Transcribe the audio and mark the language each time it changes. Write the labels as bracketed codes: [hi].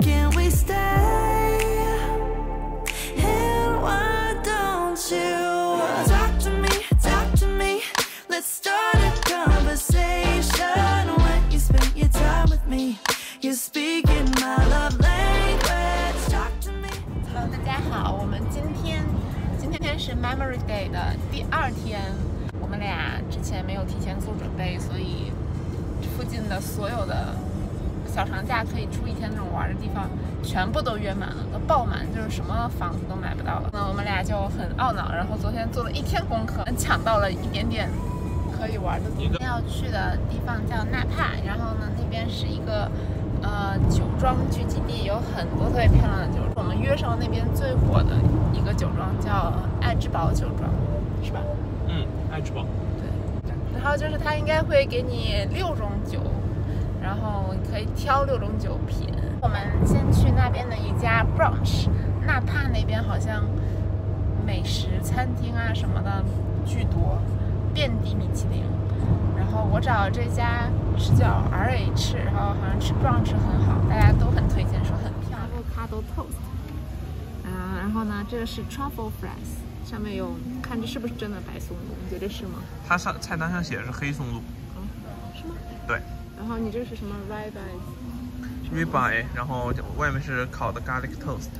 [en] Can we stay? And why don't you talk to me, talk to me? Let's start a conversation. When you spend your time with me, you speak in my love language. Talk to me. [zh] Hello, 大家好，我们今天是 Memory Day 的第二天。我们俩之前没有提前做准备，所以附近的所有的小长假可以出一天那种玩的地方全部都约满了，都爆满，就是什么房子都买不到了。那我们俩就很懊恼，然后昨天做了一天功课，抢到了一点点可以玩的地方。要去的地方叫纳帕，然后呢那边是一个酒庄聚集地，有很多特别漂亮的酒庄。我们约上那边最火的一个酒庄叫爱之堡酒庄，是吧？爱之堡，对，然后就是他应该会给你六种酒，然后可以挑六种酒品。我们先去那边的一家 brunch， 纳帕那边好像美食餐厅啊什么的巨多，遍地米其林。然后我找这家是叫 RH， 然后好像吃 brunch 很好，大家都很推荐，说很漂亮。 Avocado toast， 然后呢，这个是 truffle fries。上面有，看这是不是真的白松露？你觉得是吗？它上菜单上写的是黑松露。嗯，是吗？对。然后你这是什么 ribeye？ ribeye， 然后外面是烤的 garlic toast。